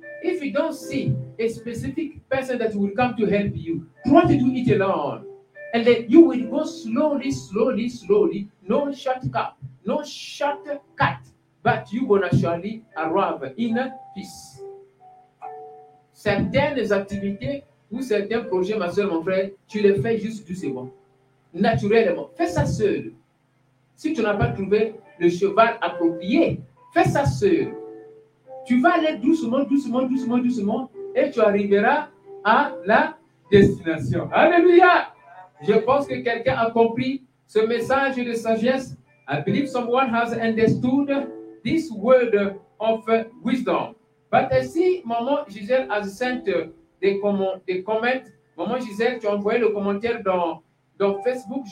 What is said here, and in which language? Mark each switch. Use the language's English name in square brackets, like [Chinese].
[English] If you don't see a specific person that will come to help you, try to do it alone. And then you will go slowly, slowly, slowly, no shortcut, no shortcut, but you're going to surely arrive in peace. [French] Certaines activités ou certains projets, ma soeur, mon frère, tu les fais juste doucement, naturellement. Fais ça seul. Si tu n'as pas trouvé le cheval approprié, fais ça seul. Tu vas aller doucement, doucement, doucement, doucement, et tu arriveras à la destination. Alléluia! Je pense que quelqu'un a compris ce message de sagesse. [English] I believe someone has understood this word of wisdom. But I see Maman Gisèle has sent the comment. [French] Maman Gisèle, tu as envoyé le commentaire dans Facebook.